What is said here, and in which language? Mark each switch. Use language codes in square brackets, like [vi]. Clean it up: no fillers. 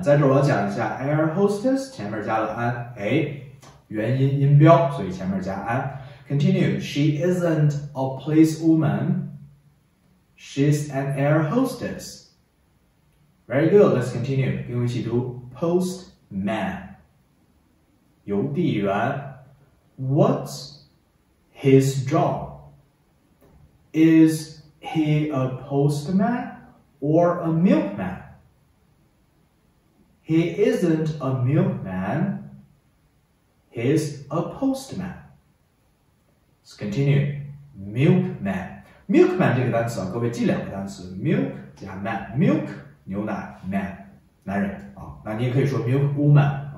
[zh] 在这我要讲一下 air hostess 前面加了 an, 元音音标，所以前面加 an. [en] Continue. She isn't a policewoman. She's an air hostess. Very good. Let's continue. 跟我一起读 postman. 邮递员 What's his job? Is he a postman or a milkman? He isn't a milkman, he's a postman. Let's continue. Milkman. [zh] Milkman 这个单词啊，各位记两个单词 ，milk 加 man。 Milk 牛奶 ，man 男人啊。那你也可以说 milk woman。